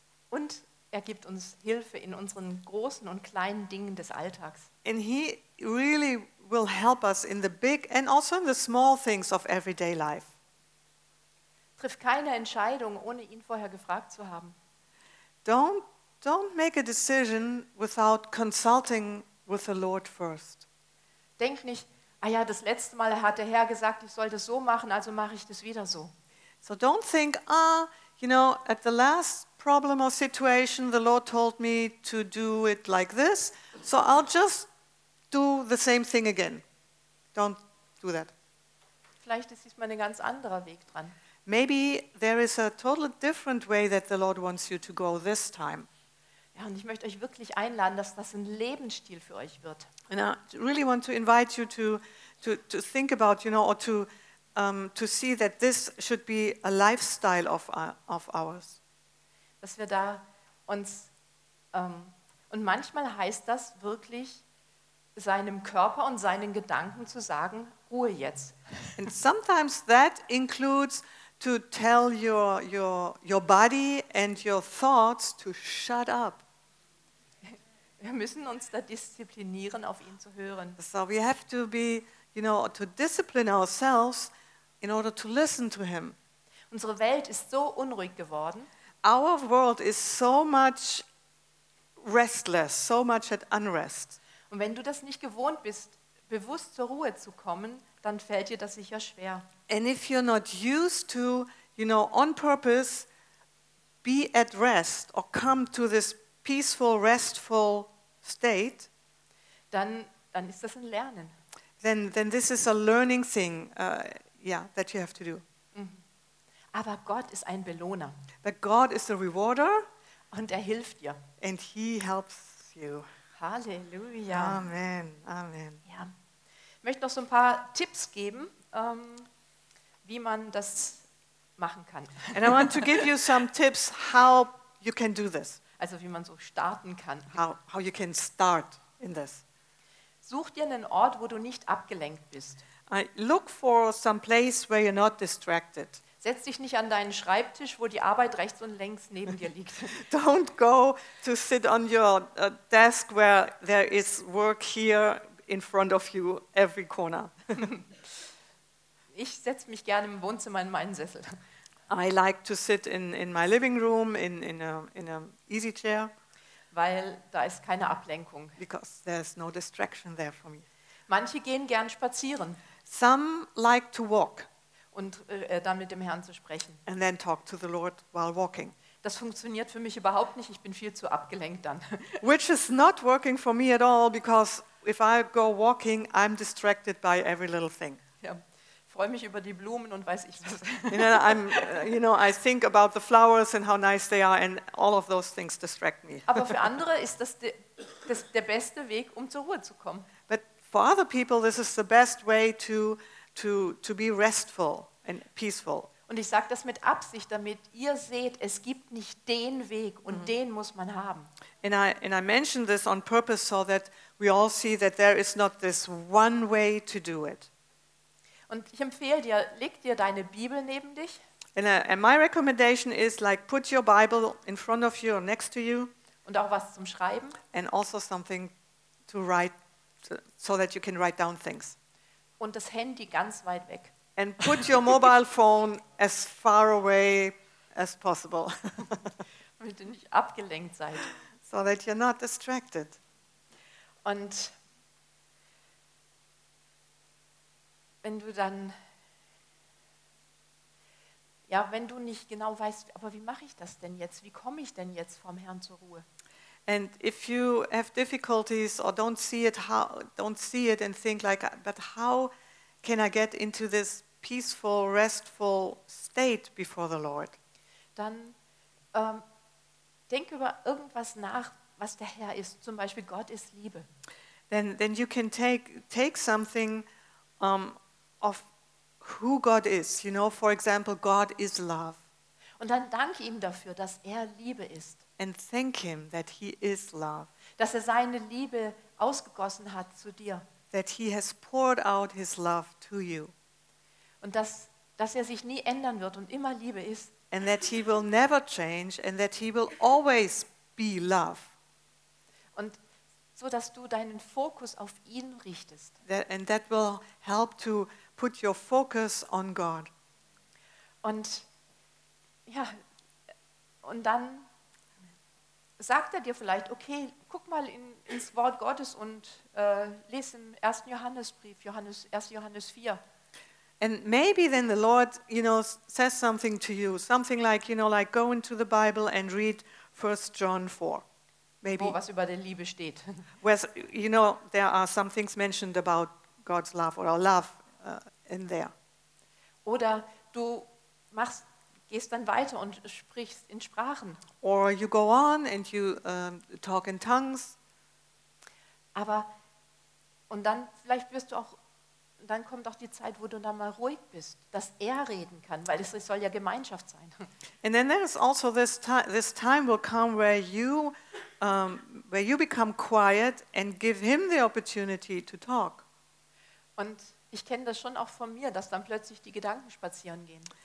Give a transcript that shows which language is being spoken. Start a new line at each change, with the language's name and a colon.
German: Und er gibt uns Hilfe in unseren großen und kleinen Dingen des Alltags.
English: And he really will help us in the big and also in the small things of everyday life.
German: Triff keine Entscheidung, ohne ihn vorher gefragt zu haben.
English: Don't make a decision without consulting with the Lord first.
German: Denk nicht, ah ja, das letzte Mal hat der Herr gesagt, ich soll das so machen, also mache ich das wieder so.
English: So don't think, ah, you know, at the last problem or situation, the Lord told me to do it like this, so I'll just do the same thing again. Don't do that.
German: Vielleicht ist diesmal ein ganz anderer Weg dran.
English: Maybe there is a totally different way that the Lord wants you to go this time.
German: Ja, und ich möchte euch wirklich einladen, dass das ein Lebensstil für euch wird.
English: And I really want to invite you to think about, you know, or to see that this should be a lifestyle of ours.
German: Dass wir da uns und manchmal heißt das wirklich seinem Körper und seinen Gedanken zu sagen, Ruhe jetzt.
English: And sometimes that includes to tell your body and your thoughts to shut up.
German: Wir müssen uns da disziplinieren, auf ihn zu hören.
English: So we have to be, you know, to discipline ourselves in order to listen to him.
German: Unsere Welt ist so unruhig geworden.
English: Our world is so much restless, so much at unrest.
German: Und wenn du das nicht gewohnt bist, bewusst zur Ruhe zu kommen, dann fällt dir das sicher schwer.
English: And if you're not used to, you know, on purpose, be at rest or come to this peaceful, restful state,
German: dann ist das ein Lernen.
English: Then this is a learning thing, that you have to do.
German: Aber Gott ist ein Belohner.
English: But God is a rewarder.
German: Und er hilft dir.
English: And he helps you.
German: Halleluja.
English: Amen. Amen.
German: Ja. Ich möchte noch so ein paar Tipps geben, wie man das machen kann.
English: And I want to give you some tips how you can do this.
German: Also wie man so starten kann.
English: How you can start in this.
German: Such dir einen Ort, wo du nicht abgelenkt bist.
English: Look for some place where you're not distracted.
German: Setz dich nicht an deinen Schreibtisch, wo die Arbeit rechts und links neben dir liegt.
English: Don't go to sit on your desk where there is work here in front of you every corner.
German: Ich setze mich gerne im Wohnzimmer in meinen Sessel.
English: I like to sit in my living room in a easy chair.
German: Weil da ist keine Ablenkung.
English: Because there's no distraction there for me.
German: Manche gehen gern spazieren.
English: Some like to walk.
German: Und dann mit dem Herrn zu sprechen.
English: And then talk to the Lord while walking.
German: Das funktioniert für mich überhaupt nicht. Ich bin viel zu abgelenkt dann.
English: Which is not working for me at all, because if I go walking, I'm distracted by every little thing.
German: Ich freue mich über die Blumen und weiß ich was.
English: You know, I think about the flowers and how nice they are and all of those things distract me.
German: Aber für andere ist das der beste Weg, um zur Ruhe zu kommen.
English: But for other people this is the best way to be restful and peaceful.
German: Und ich sage das mit Absicht, damit ihr seht, es gibt nicht den Weg und den muss man haben.
English: And I mention this on purpose so that we all see that there is not this one way to do it.
German: Und ich empfehle dir, leg dir deine Bibel neben dich.
English: And my recommendation is like put your Bible in front of you or next to you.
German: Und auch was zum Schreiben.
English: And also something to write so that you can write down things.
German: Und das Handy ganz weit weg.
English: And put your mobile phone as far away as possible.
German: Damit ihr nicht abgelenkt seid.
English: So that you're not distracted.
German: Und wenn du dann, ja, wenn du nicht genau weißt, aber wie mache ich das denn jetzt? Wie komme ich denn jetzt vom Herrn zur Ruhe?
English: And if you have difficulties or don't see it, and think like, but how can I get into this peaceful, restful state before the Lord?
German: Dann denk über irgendwas nach, was der Herr ist. Zum Beispiel, Gott ist Liebe.
English: Then you can take something of who God is. You know, for example, God is love.
German: Und dann dank ihm dafür, dass er Liebe ist.
English: And thank him that he is love.
German: Dass er seine Liebe ausgegossen hat zu dir.
English: That he has poured out his love to you.
German: Und dass er sich nie ändern wird und immer Liebe ist.
English: And that he will never change and that he will always be love.
German: Und so, dass du deinen Fokus auf ihn richtest.
English: And that will help to put your focus on God.
German: Und ja, und dann sagt er dir vielleicht, okay, guck mal ins Wort Gottes und lese im 1. Johannesbrief, 1. Johannes 4.
English: And maybe then the Lord, you know, says something to you, something like, you know, like go into the Bible and read 1 John 4. Maybe.
German: Wo was über der Liebe steht.
English: Where, you know, there are some things mentioned about God's love or our love in there.
German: Oder du machst, gehst dann weiter und sprichst in Sprachen.
English: Or you go on and you talk in tongues.
German: Aber, und dann vielleicht wirst du auch, dann kommt auch die Zeit, wo du dann mal ruhig bist, dass er reden kann, weil es soll ja Gemeinschaft sein.
English: And then there is also this time will come where you become quiet and give him the opportunity to talk.
German: Und ich kenne das schon auch von mir, dass dann plötzlich die Gedanken spazieren gehen.